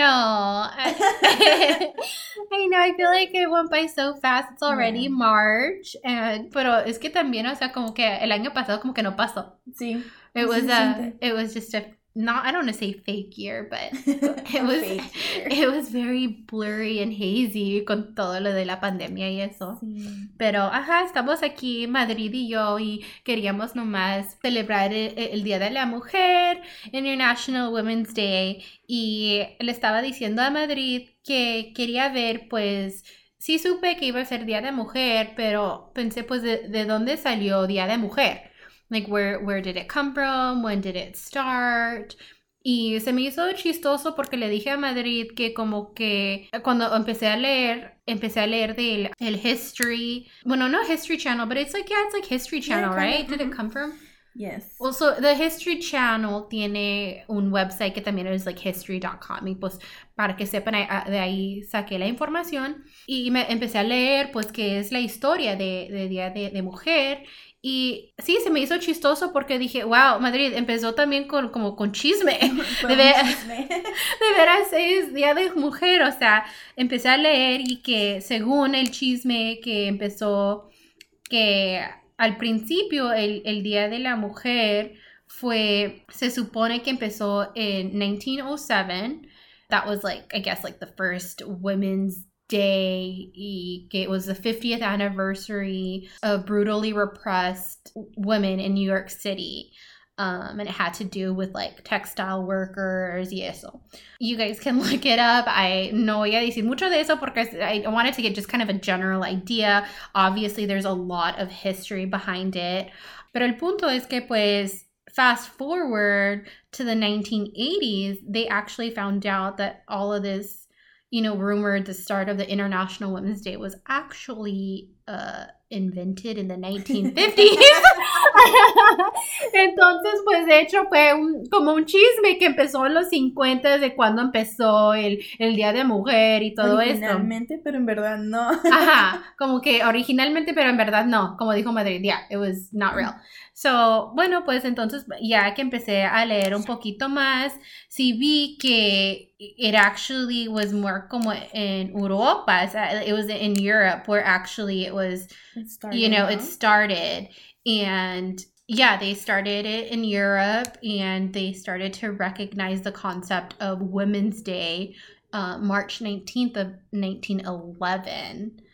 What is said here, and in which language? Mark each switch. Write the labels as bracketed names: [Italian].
[English] I know, I feel like it went by so fast. It's already March. [Spanish] Pero es que también, o sea, como que el año pasado como que no pasó. Sí. [English] It was just I don't want to say fake year, but it was very blurry and hazy [Spanish] con todo lo de la pandemia y eso. Sí. Pero, ajá, estamos aquí, Madrid y yo, y queríamos nomás celebrar el Día de la Mujer, International Women's Day, y le estaba diciendo a Madrid que quería ver, pues, sí supe que iba a ser Día de Mujer, pero pensé, pues, ¿de dónde salió Día de Mujer? [English] Like, where did it come from? When did it start? [Spanish] Y se me hizo chistoso porque le dije a Madrid que como que cuando empecé a leer del History. Bueno, no [English] History Channel, but it's like, yeah, it's like History Channel, yeah, right? Did it come from? Yes. Well, so the History Channel [Spanish] tiene un website que también es [English] like history.com. [Spanish] Y pues para que sepan, de ahí saqué la información. Y me empecé a leer, pues, que es la historia de Día de Mujer. Y sí, se me hizo chistoso porque dije, wow, Madrid empezó también con chisme. De veras es Día de Mujer. O sea, empecé a leer y que según el chisme que empezó, que al principio el Día de la Mujer fue, se supone que empezó en 1907. [English] That was like, I guess, like the first women's day, [Spanish] y que [English] it was the 50th anniversary of brutally repressed women in New York City, and it had to do with like textile workers [Spanish] y eso. [English] You guys can look it up. I [Spanish] no voy a decir mucho de eso porque [English] I wanted to get just kind of a general idea. Obviously there's a lot of history behind it, [Spanish] pero el punto es que pues [English] fast forward to the 1980s, they actually found out that all of this, you know, rumored the start of the International Women's Day was actually invented in the 1950s. [Spanish] Entonces, pues, de hecho, fue como un chisme que empezó en los 50, de cuando empezó el Día de Mujer y todo esto. Originalmente, pero en verdad no. Ajá, como que originalmente, pero en verdad no. Como dijo Madrid, [English] yeah, it was not real. [Spanish] So, bueno, pues, entonces, ya que empecé a leer un poquito más, sí vi que [English] it actually was more [Spanish] como en Europa. O sea, [English] it was in Europe where actually it was, it started, and yeah, they started it in Europe, and they started to recognize the concept of Women's Day, March 19th of 1911.